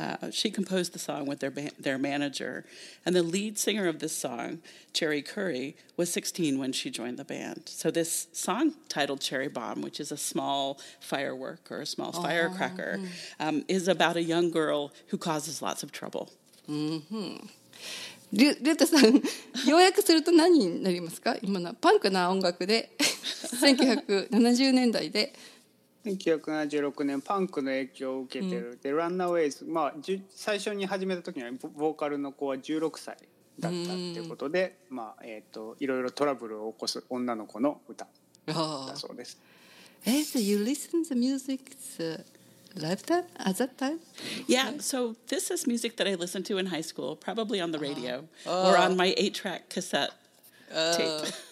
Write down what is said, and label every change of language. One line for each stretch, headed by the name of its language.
English: She composed the song with their manager. And the lead singer of this song, Cherry Curry, was 16 when she joined the band. So this song titled Cherry Bomb, which is a small firework or a small firecracker, is about a young girl who causes lots of trouble. Mm-hmm.
Japanese: リュータさん、要約すると何になりますか。今のパンクな音楽で1970年代で 1976年パンクの影響を受けてる、うん、でランナーウェイズ、まあ、最初に始めた時にはボーカルの子は16歳だったっていうことで、まあ、いろいろトラブルを起こす女の子の歌だそうです。
English: So you listen the music to... Lifetime at that time? Yeah, so this is music that I listened to in high school, probably on the radio or on my 8-track cassette tape.